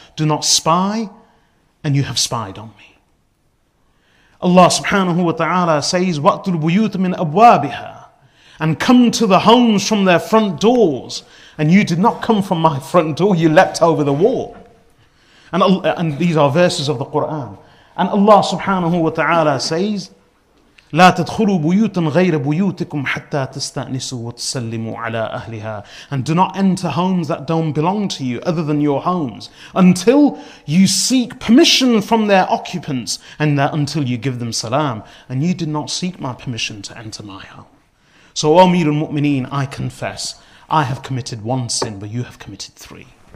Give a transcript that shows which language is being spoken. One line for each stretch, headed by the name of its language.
English: Do not spy, and you have spied on me. Allah subhanahu wa ta'ala says,
Arabic: وَأْتُ الْبُيُوتَ مِنْ أَبْوَابِهَا,
English: and come to the homes from their front doors. And you did not come from my front door, you leapt over the wall. And these are verses of the Qur'an.
Arabic: And Allah subhanahu wa ta'ala says, لا تدخلوا بيوتا غير بيوتكم حتى تستأنسوا وتسلموا على أهلها.
English: And do not enter homes that don't belong to you other than your homes until you seek permission from their occupants and that until you give them salam. And you did not seek my permission to enter my home. So, O Amir al-Mu'mineen, I confess, I have committed one sin, but you have committed three.